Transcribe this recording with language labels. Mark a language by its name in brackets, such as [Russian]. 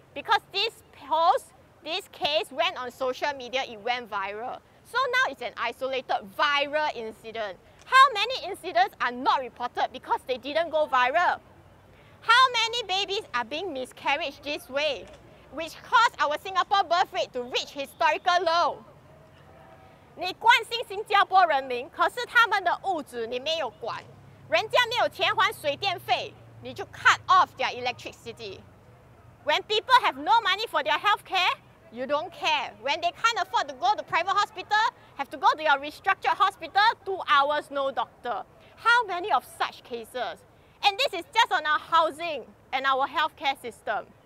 [English] Because this post, this case went on social media, it went viral. So now it's an isolated viral incident. How many incidents are not reported because they didn't go viral? How many babies are being miscarried this way, which caused our Singapore birth rate to reach historical low? [Chinese] 你关心新加坡人民，可是他们的物质你没有管。人家没有钱还水电费， 你就 [English] cut off their electricity. When people have no money for their health care, you don't care. When they can't afford to go to private hospital, have to go to your restructured hospital, 2 hours, no doctor. How many of such cases? And this is just on our housing and our healthcare system.